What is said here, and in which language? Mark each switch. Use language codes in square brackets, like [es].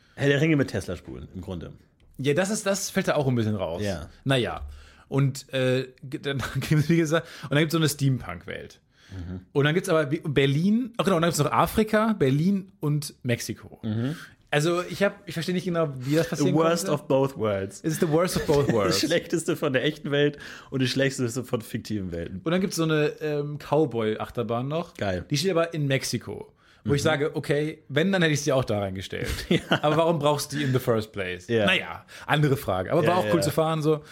[de] Herr-der-Ringe mit Tesla-Spulen, im Grunde. Ja, das fällt da auch ein bisschen raus. Ja. Naja. Und dann gibt es, wie gesagt, und dann gibt es so eine Steampunk-Welt. Mhm. Und dann gibt es aber Berlin, ach genau, und dann gibt es noch Afrika, Berlin und Mexiko. Mhm. Also ich verstehe nicht genau, wie das passiert. [en] The worst of both worlds. It is the worst of both worlds. [de] Das Schlechteste von der echten Welt und das Schlechteste von fiktiven Welten. Und dann gibt es so eine Cowboy-Achterbahn noch. Geil. Die steht aber in Mexiko. Wo ich sage, okay, wenn, dann hätte ich sie auch da reingestellt. Ja. Aber warum brauchst du die [en] in the first place? Yeah. [de] Naja, andere Frage. Aber war auch cool zu fahren so.